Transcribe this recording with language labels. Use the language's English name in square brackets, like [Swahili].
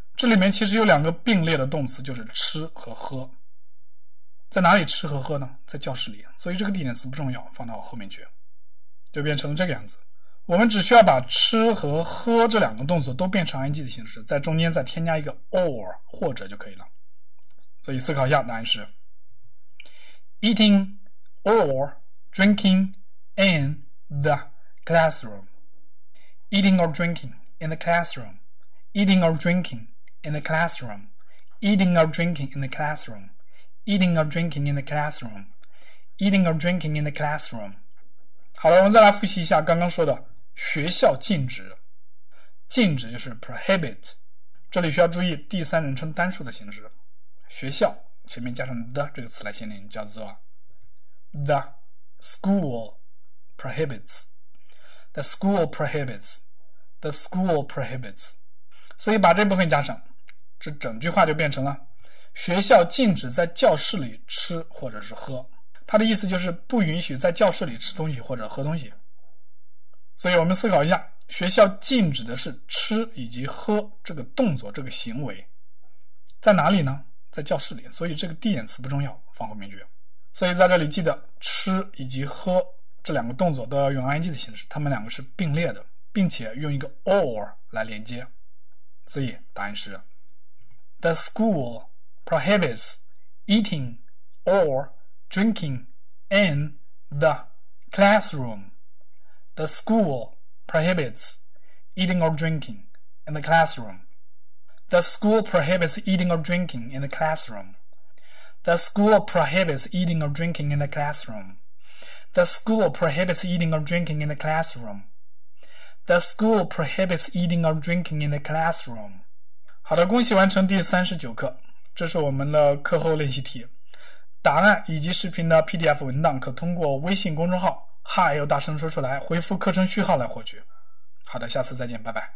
[Chinese] 这里面其实有两个并列的动词，就是吃和喝。在哪里吃和喝呢？在教室里。所以这个地点词不重要，放到后面去，就变成了这个样子。我们只需要把吃和喝这两个动作都变成 ing 的形式，在中间再添加一个 or 或者就可以了。所以思考一下，答案是 [English] eating or drinking in the classroom, eating or drinking in the classroom, eating or drinking in the classroom, eating or drinking in the classroom, eating or drinking in the classroom, eating or drinking in the classroom。 [Chinese] 好了，我们再来复习一下刚刚说的学校禁止。禁止就是 prohibit， 这里需要注意第三人称单数的形式，学校前面加上 the 这个词来限定，叫做 [English] the school prohibits, the school prohibits, [Chinese] the school prohibits。所以把这部分加上，这整句话就变成了学校禁止在教室里吃或者是喝，它的意思就是不允许在教室里吃东西或者喝东西。所以我们思考一下，学校禁止的是吃以及喝这个动作，这个行为在哪里呢？在教室里。所以这个地点词不重要，放后面去。所以在这里记得吃以及喝这两个动作都要用 ing 的形式，它们两个是并列的，并且用一个 or 来连接。所以答案是 [English] The school prohibits eating or drinking in the classroom. The school prohibits eating or drinking in the classroom. The school prohibits eating or drinking in the classroom. The school prohibits eating or drinking in the classroom. The school prohibits eating or drinking in the classroom. The school prohibits eating or drinking in the classroom. [Chinese] 好的，恭喜完成第39课，这是我们的课后练习题。答案以及视频的 PDF 文档可通过微信公众号 HiYou 大声说出来回复课程序号来获取。好的，下次再见，拜拜。